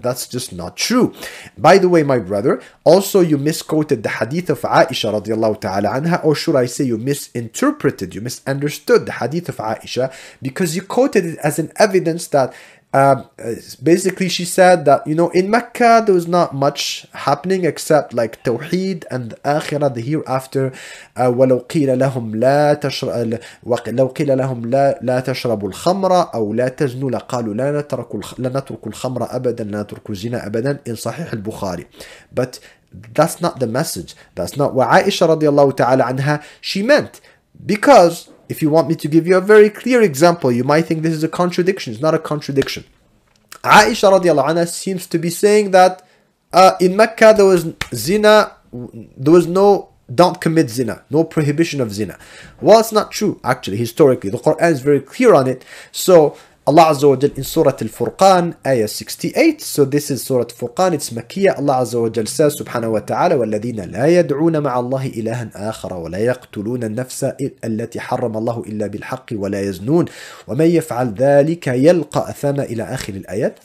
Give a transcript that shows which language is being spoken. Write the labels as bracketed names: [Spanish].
[English] That's just not true. By the way, my brother, also you misquoted the hadith of Aisha radiallahu ta'ala anha, or should I say you misinterpreted, you misunderstood the hadith of Aisha, because you quoted it as an evidence that basically she said that, you know, in Mecca there was not much happening except like tawheed and akhirah, the hereafter. [Arabic] ولو قيل لهم لا تشرب لو قيل لهم لا تشربوا الخمر او لا تزنوا لقالوا لا نترك الخمر ابدا لا نترك الزنا ابدا [English] in [Arabic] صحيح البخاري. [English] But that's not the message, that's not what Aisha radiallahu ta'ala anha she meant. Because if you want me to give you a very clear example, you might think this is a contradiction. It's not a contradiction. Aisha radiallahu anha seems to be saying that in Mecca there was zina, there was no, don't commit zina, no prohibition of zina. Well, it's not true, actually, historically. The Quran is very clear on it. So Allah Azza wa Jal in Surah Al-Furqan, Ayah 68. So this is Surah Al-Furqan, it's Makkiyah. Allah Azza wa Jal says, Subhanahu wa Ta'ala, [Arabic] وَالَّذِينَ لَا يَدْعُونَ مَعَ اللَّهِ إِلَهًا آخَرَ وَلَا يَقْتُلُونَ النَّفْسَ الَّتِي حَرَّمَ اللَّهُ إِلَّا بِالْحَقِّ وَلَا يَزْنُونَ وَمَنْ يَفْعَلْ ذَلِكَ يَلْقَ أَثَمَ إِلَى آخِرِ الْآيَاتِ.